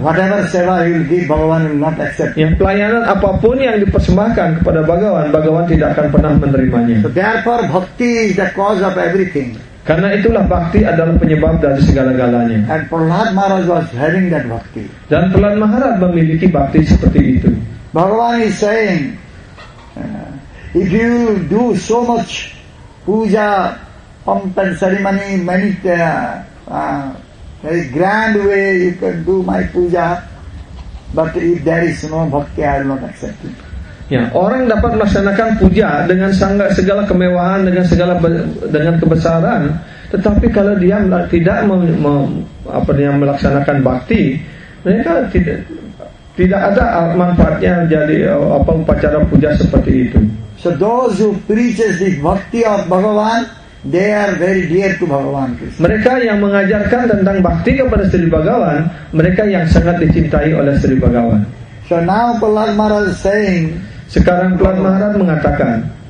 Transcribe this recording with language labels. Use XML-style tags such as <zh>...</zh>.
<en>whatever seva he will give, Bhagawan will not accept.</en> <id>Ya, pelayanan apapun yang dipersembahkan kepada Bhagawan, Bhagawan tidak akan pernah menerimanya.</id> <en>So therefore bhakti is the cause of everything.</en> <id>Karena itulah bhakti adalah penyebab dari segala-galanya.</id> <en>And Prahlad Maharaj was having that bhakti.</en> <id>Dan Prahlad Maharaj memiliki bhakti seperti itu.</id> <en>Bhagawan is saying, if you do so much puja, pomp and ceremony, many very grand way you can do my puja, but if there is no bhakti, I will not accept it.</en> <id>Ya, orang dapat melaksanakan puja dengan segala kemewahan, dengan kebesaran, tetapi kalau dia tidak melaksanakan bakti, mereka tidak ada manfaatnya jadi upacara puja seperti itu.</id> <en>So those who preaches the bhakti of Bhagawan, they are very dear to Bhagawan Krishna.</en> <id>Mereka yang mengajarkan tentang bakti kepada Sri Bhagawan, mereka yang sangat dicintai oleh Sri Bhagawan.</id> <en>So now Prahlad Maharaj saying.</en> <id>Sekarang Prahlad Maharaj mengatakan,</id>